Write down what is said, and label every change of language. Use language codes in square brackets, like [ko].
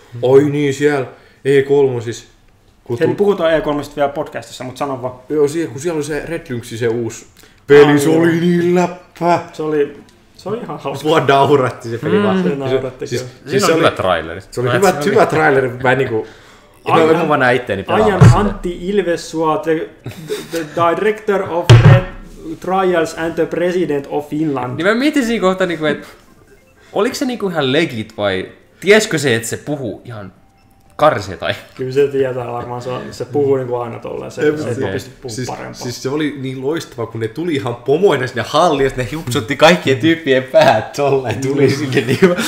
[fi] Oi niin, siellä E3 siis. Hei, puhutaan E3:sta vielä podcastissa, mutta sano vaan. Joo, kun siellä oli se Red Lynxi, se uusi peli, se oli niin läppä. Se oli ihan hauska. Mua nauratti se peli vaan. Se nauratti kyllä. Siinä on hyvä traileri. Se oli hyvä traileri, mä en niinku... Mä vaan näin itteeni pelaamaan. [en] I am Antti Ilvesua, the director of Red Trials and the president of Finland. [fi] Niin mä mietin siinä kohta, että oliko se ihan legit vai tieskö se, että se puhuu ihan... Karse tai. Kyllä se tietää varmaan, se puhuu niin kuin aina tolleen, se ei pysty puhumaan parempaa. Siis se oli niin loistava, kun ne tuli ihan pomoina sinne halliin ja sinne hiupsotti kaikkien tyyppien päät tolleen. Tuli sinne niin hyvä.